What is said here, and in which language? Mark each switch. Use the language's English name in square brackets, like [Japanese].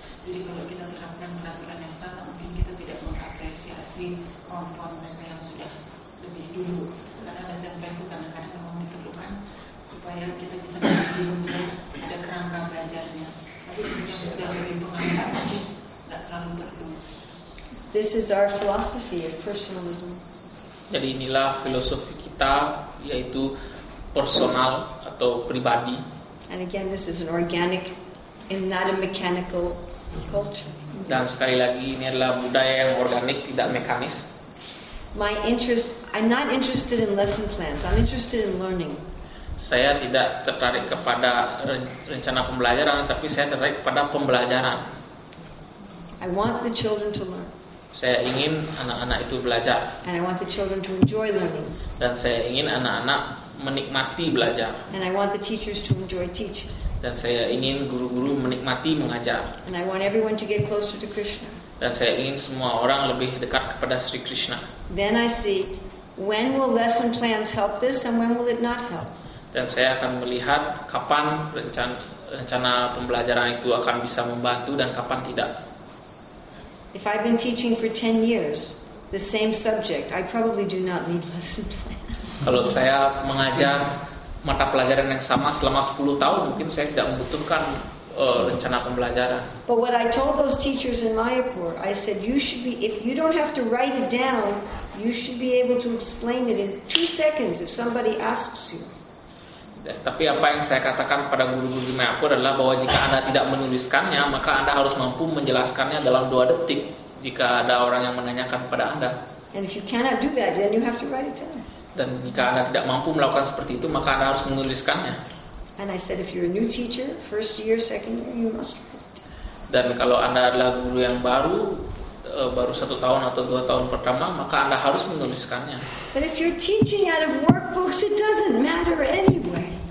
[Indonesian] Jadi kalau kita terapkan peraturan yang sama, mungkin kita tidak mengapresiasi kemampuan mereka yang sudah lebih dulu. Karena ada yang baik bukan karena memang diperlukan supaya kita bisa mengambilnya, ada kerangka belajarnya. Tapi yang sudah lebih pengalaman mungkin tidak terlalu perlu. [English] This is our philosophy of personalism. [Indonesian] Jadi inilah filosofi kita, yaitu personal atau pribadi. [English] And again, this is an organic and not a mechanical culture. [Indonesian] Dan sekali lagi ini adalah budaya yang organik, tidak mekanis. [English] My interest, I'm not interested in lesson plans. I'm interested in learning. [Indonesian] Saya tidak tertarik kepada rencana pembelajaran, tapi saya tertarik kepada pembelajaran. [English] I want the children to learn. [Indonesian] Saya ingin anak-anak itu belajar. [English] And I want the children to enjoy learning. [Indonesian] Dan saya ingin anak-anak menikmati belajar. [English] And I want the teachers to enjoy teaching. [Indonesian] Dan saya ingin guru-guru menikmati mengajar. [English] And I want everyone to get closer to Krishna. [Indonesian] Dan saya ingin semua orang lebih dekat kepada Sri Krishna. [English] Then I see when will lesson plans help this and when will it not help. [Indonesian] Dan saya akan melihat kapan rencana pembelajaran itu akan bisa membantu dan kapan tidak. [English] If I've been teaching for 10 years the same subject, I probably do not need lesson plans. [Indonesian] Kalau saya mengajar mata pelajaran yang sama selama 10 tahun, mungkin saya tidak membutuhkan rencana pembelajaran. [English] But what I told those teachers in Mayapur, I said you should be, if you don't have to write it down, you should be able to explain it in 2 seconds if somebody asks you. [Indonesian] Tapi apa yang saya katakan pada guru-guru di Mayapur adalah bahwa jika Anda tidak menuliskannya, maka Anda harus mampu menjelaskannya dalam 2 detik jika ada orang yang menanyakan pada Anda. [English] And if you cannot do that, then you have to write it down. [Indonesian] Dan jika Anda tidak mampu melakukan seperti itu, maka Anda harus menuliskannya. [English] And I said if you're a new teacher, first year, second year, you must write. [Indonesian] Dan kalau Anda adalah guru yang baru, baru 1 tahun atau 2 tahun pertama, maka Anda harus menuliskannya. [English] But if you're teaching out of workbooks, it doesn't matter anyway.